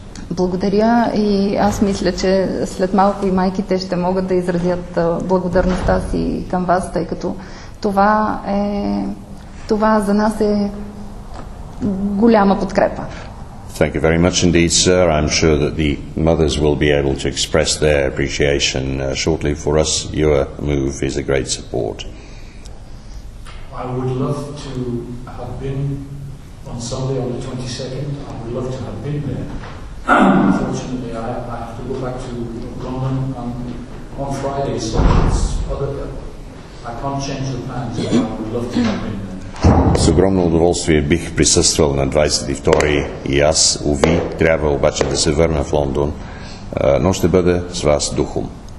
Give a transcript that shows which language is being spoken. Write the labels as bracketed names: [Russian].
[Bulgarian] Благодаря и аз мисля, че след малко и майките ще могат да изразят благодарността си към вас, тъй като това за нас е голяма подкрепа. [English] Thank you very much indeed, sir. I'm sure that the mothers will be able to express their appreciation shortly. For us, your move is a great support. I would love to have been on Sunday on the 22nd. I would love to have been there. Unfortunately, I have to go back to London on Friday, so it's other I can't change the plans, but I would love to have been there. [Bulgarian] С огромно удоволствие бих присъствал на 22-и и аз, уви, трябва обаче да се върна в Лондон, но ще бъда с вас духом.